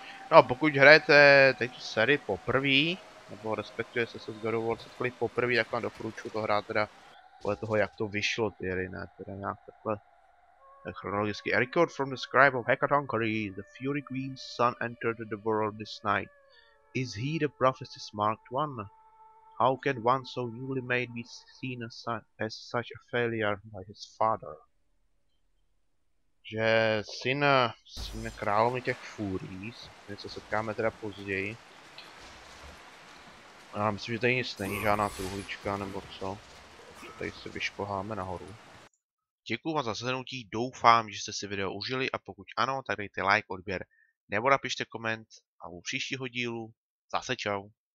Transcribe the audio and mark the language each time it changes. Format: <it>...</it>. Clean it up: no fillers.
<cs>No, pokud hrajete teď sérii poprvé, nebo respektuje se God of War setkali poprvé, tak vám doporučuji to hrát teda podle toho, jak to vyšlo ty hry, ne? Teda nějak takhle chronologicky.</cs> <en>A record from the scribe of Hecatonchory, the Fury Queen's son entered the world this night. Is he the prophecy's marked one? How can one so newly made be seen as such a failure by his father?</en> <cs>Že syn královny těch fúrií, se setkáme teda později. Já myslím, že tady nic není, žádná truhlička nebo co. Tady se vyšplháme nahoru. Děkuju vám za shlednutí, doufám, že jste si video užili a pokud ano, tak dejte like, odběr nebo napište koment a u příštího dílu zase čau.</cs>